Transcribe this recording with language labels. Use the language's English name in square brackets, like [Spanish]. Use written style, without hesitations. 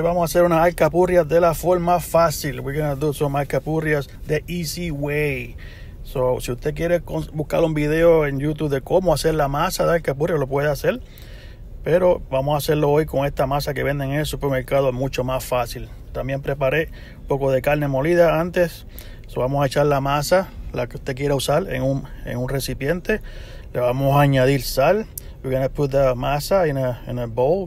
[Spanish] Vamos a hacer unas alcapurrias de la forma fácil. [English] We're going to do some alcapurrias the easy way. [Spanish] So, si usted quiere buscar un video en YouTube de cómo hacer la masa de alcapurrias, lo puede hacer. Pero vamos a hacerlo hoy con esta masa que venden en el supermercado, mucho más fácil. También preparé un poco de carne molida antes. So, vamos a echar la masa, la que usted quiera usar, en un recipiente. Le vamos a añadir sal. [English] We're gonna put the masa in a bowl.